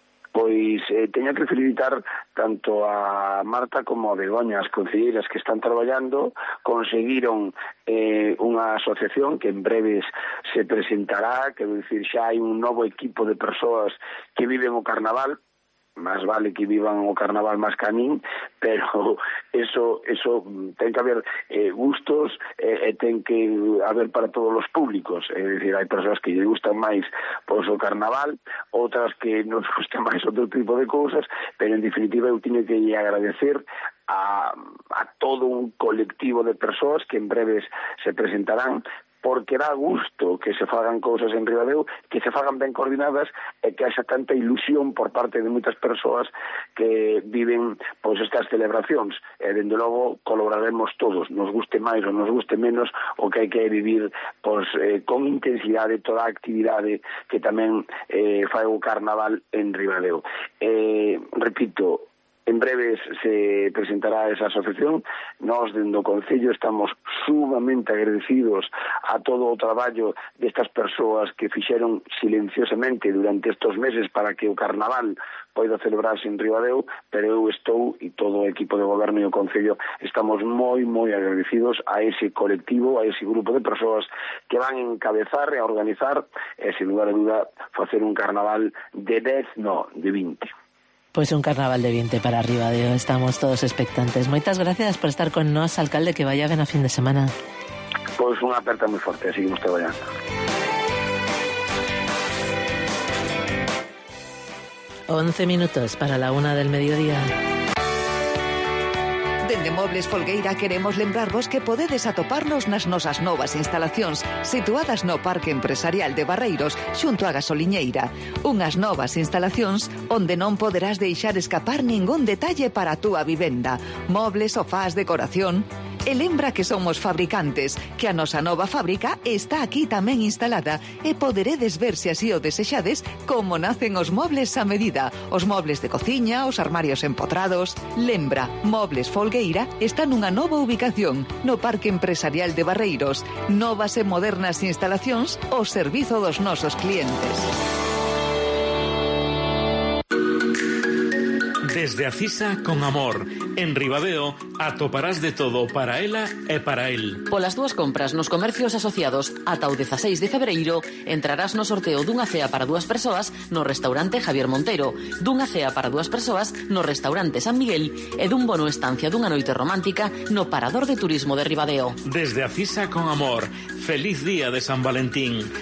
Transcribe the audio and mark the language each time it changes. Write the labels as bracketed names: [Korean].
[Galician] Pois teño que felicitar tanto a Marta como a Begoña, as concelleiras que están traballando, conseguiron unha asociación que en breves se presentará, quero dicir, xa hai un novo equipo de persoas que viven o Carnaval. Más vale que vivan o Carnaval más canín, pero eso ten que haber gustos, ten que haber para todos os públicos. É dicir, hai persoas que lle gustan máis pois o Carnaval, outras que nos gustan máis outro tipo de cousas, pero en definitiva eu teño que agradecer a todo un colectivo de persoas que en breves se presentarán, porque dá gusto que se fagan cousas en Ribadeo, que se fagan ben coordinadas e que haxa tanta ilusión por parte de moitas persoas que viven pois estas celebracións. E, dende logo, colaboraremos todos, nos guste máis ou nos guste menos, o que hai que vivir pois con intensidade toda a actividade que tamén fai o Carnaval en Ribadeo. Repito, en breves se presentará esa asociación. Nós, dende o Concello, estamos sumamente agradecidos a todo o traballo destas persoas que fixeron silenciosamente durante estes meses para que o Carnaval poida celebrarse en Ribadeo, pero eu estou, e todo o equipo de goberno e o Concello, estamos moi, moi agradecidos a ese colectivo, a ese grupo de persoas que van a encabezar e a organizar, e, sin lugar a duda, facer un Carnaval de 10, no, de 20. Pois un Carnaval de 20 para Ribadeo, estamos todos expectantes. Moitas gracias por estar con nós, alcalde, que vaya ben a fin de semana. Pois unha aperta moi forte, seguimos traballando. [Spanish] Once minutos para la una del mediodía. [Galician] Dende Mobles Folgueira queremos lembrarvos que podedes atoparnos nas nosas novas instalacións situadas no Parque Empresarial de Barreiros, xunto a Gasoliñeira. Unhas novas instalacións onde non poderás deixar escapar ningún detalle para a túa vivenda. Mobles, sofás, decoración. E lembra que somos fabricantes, que a nosa nova fábrica está aquí tamén instalada e poderedes ver se así o desexades como nacen os mobles a medida, os mobles de cociña, os armarios empotrados. Lembra, Mobles Folgueira está nunha nova ubicación, no Parque Empresarial de Barreiros. Novas e modernas instalacións ao servizo dos nosos clientes. Desde Acisa, con amor. En Ribadeo, atoparás de todo para ela e para él. Polas túas compras nos comercios asociados ata o 16 de febreiro, entrarás no sorteo dunha cea para dúas persoas no restaurante Javier Montero, dunha cea para dúas persoas no restaurante San Miguel e dun bono estancia dunha noite romántica no parador de turismo de Ribadeo. Desde Acisa, con amor. Feliz día de San Valentín.